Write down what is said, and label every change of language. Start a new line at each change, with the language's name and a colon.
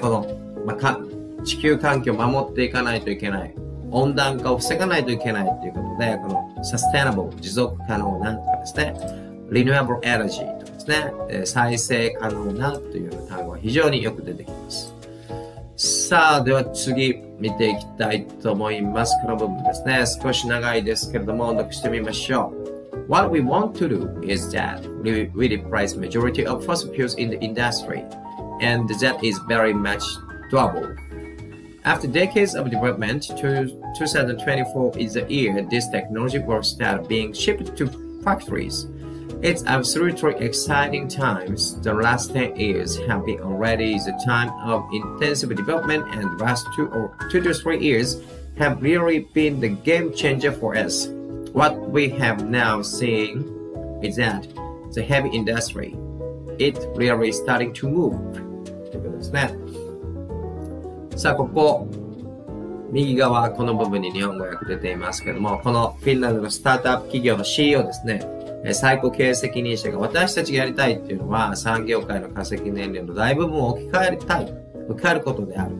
Japanese: この、まあ、地球環境を守っていかないといけない、温暖化を防がないといけないということで、このサステイナブル、持続可能なとかですね、リニューアブルエナジーとかですね、再生可能なという単語が非常によく出てきます。さあでは次見ていきたいと思います。この部分ですね、少し長いですけれども音読してみましょう。
English: What we want to do is that we replace majority of fossil fuels in the industry, and that is very much doable. After decades of development, 2024 is the year this technology will start being shipped to factories. It's absolutely exciting times. The last 10 years have been already the time of intensive development, and the last two to three years have really been the game changer for us. What we have now seen is that the heavy industry, it really starting to move.
Japanese: ということですね。さあ、ここ、右側、この部分に日本語訳出ていますけども、このフィンランドのスタートアップ企業の CEO ですね、最高経営責任者が、私たちがやりたいっていうのは、産業界の化石燃料の大部分を置き換えたい、置き換えることである。